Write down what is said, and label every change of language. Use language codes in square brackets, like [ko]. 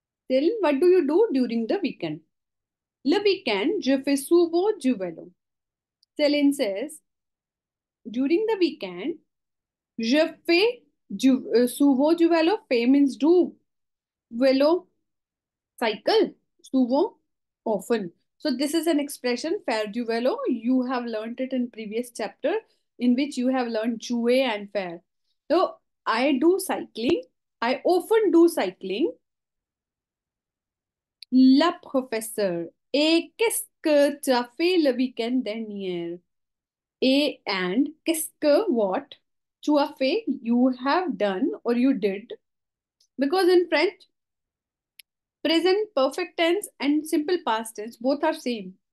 [en] Céline, what do you do during the weekend? [fr] Le week-end, je fais souvent du vélo. [en] Céline says, during the weekend, [fr] je fais souvent du vélo, [en] fait means do. Vélo, cycle, souvent, often. So this is an expression, [fr] faire du vélo. [en] You have learned it in previous chapter in which you have learned jouer and faire. So I do cycling. I often do cycling. [fr] La professeure. Et qu'est-ce que tu as fait le week-end dernier? [en] Et and [fr] qu'est-ce que [en] what? [fr] Tu as fait, [en] you have done or you did. Because in French, present perfect tense and simple past tense, both are same.